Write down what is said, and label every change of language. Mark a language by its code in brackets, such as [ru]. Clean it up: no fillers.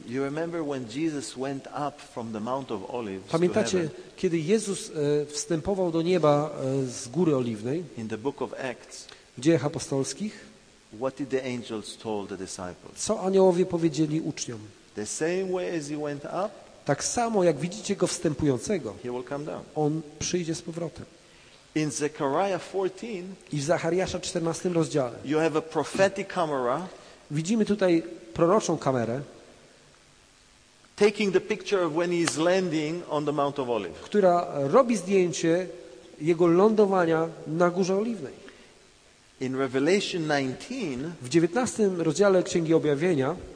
[en] You remember when Jesus went up from the Mount of Olives? [pl] Pamiętacie, kiedy Jezus wstępował do nieba z Góry Oliwnej? [en] In the book of Acts. [pl] W Dziejach Apostolskich. [en] What did the angels told the disciples? [pl] Co aniołowie powiedzieli uczniom? [en] The same way as he went up. [pl] Tak samo jak widzicie go wstępującego. [en] He will come down. [pl] On przyjdzie z powrotem. [en] In Zechariah 14. [pl] I w Zachariasza 14 rozdziale. [en] You have a prophetic camera. [pl] Widzimy tutaj proroczą kamerę. [en] Taking the picture of when he is landing on the Mount of Olives. [pl] Która robi zdjęcie jego lądowania na Górze Oliwnej. [en] In Revelation 19. [pl] W 19 rozdziale Księgi Objawienia.